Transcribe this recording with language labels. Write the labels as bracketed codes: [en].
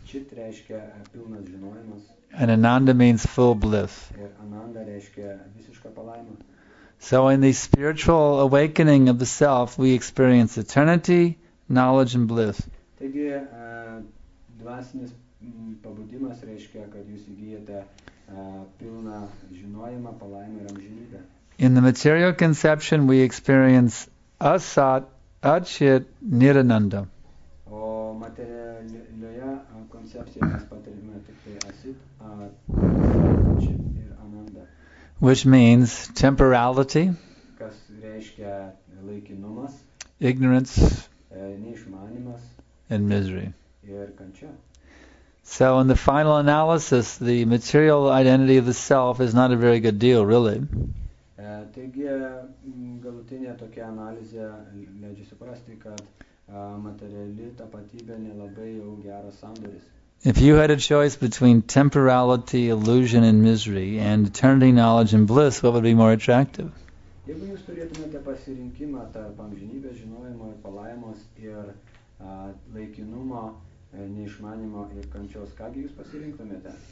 [lt] Chit reiškia pilnas žinojimas. [en] And Ananda means full bliss. [lt] Ir Ananda reiškia visišką palaimą. [en] So in the spiritual awakening of the self, we experience eternity, knowledge and bliss. [lt] Taigi, dvasinis pabudimas reiškia, kad jūs įgyjate pilną žinojimą, palaimą ir amžinybę. [en] In the material conception, we experience asat, Achit Nirananda. [lt] O materialioje koncepcijoje mes patirime tik tai asit, achit ir ananda. [en] Which means temporality. [lt] Kas reiškia laikinumas. [en] Ignorance. [lt] Neišmanimas. [en] And misery. [lt] Ir kančia. [en] So in the final analysis, the material identity of the self is not a very good deal, really. [lt] Taigi, galutinė tokia analizė leidžia suprasti, kad materiali tapatybė nelabai jau geras sandoris. [en] If you had a choice between temporality, illusion and misery, and eternity, knowledge and bliss, what would be more attractive? [lt] Jeigu jūs turėtumėte pasirinkimą tarp amžinybės žinojimo ir palaimos ir laikinumo, neišmanimo ir kančios, ką jūs pasirinktumėte?